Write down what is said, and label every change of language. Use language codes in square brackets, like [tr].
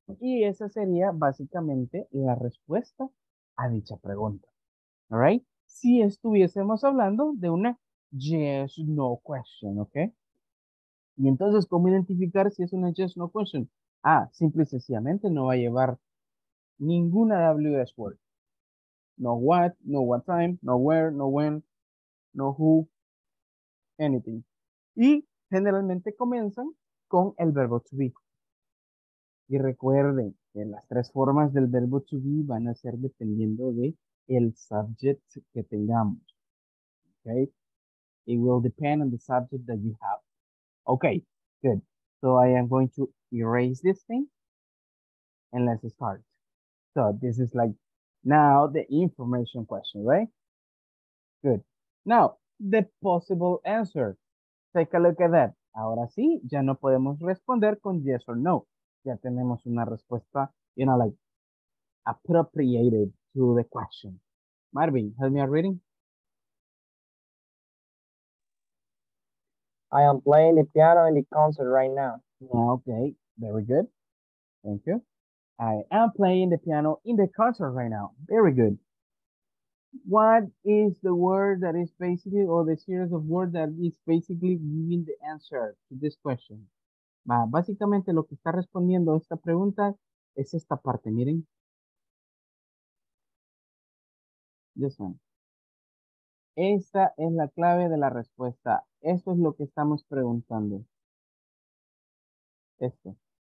[es] Y esa sería básicamente la respuesta a dicha pregunta, all right? Si estuviésemos hablando de una yes, no question, ¿ok? Y entonces, ¿cómo identificar si es una yes, no question? Ah, simple y sencillamente no va a llevar ninguna WS word. [en] No what, no what time, no where, no when, no who, anything. [es] Y generalmente comienzan con el verbo to be. Y recuerden que las tres formas del verbo to be van a ser dependiendo de el subject que tengamos. [en] Okay? It will depend on the subject that you have. Okay, good. So I am going to erase this thing and let's start. So this is like now the information question, right? Good. Now, the possible answer. Take a look at that. [es] Ahora sí, ya no podemos responder con yes or no. Ya tenemos una respuesta, you know, like, appropriated to the question. [en] Marvin, help me out reading. I am playing the piano in the concert right now. Okay, very good. Thank you. I am playing the piano in the concert right now. Very good. What is the word that is basically, or the series of words that is basically giving the answer to this question? [es] Básicamente lo que está respondiendo a esta pregunta es esta parte, miren. This one. Esta es la clave de la respuesta. Esto es lo que estamos preguntando. Esto.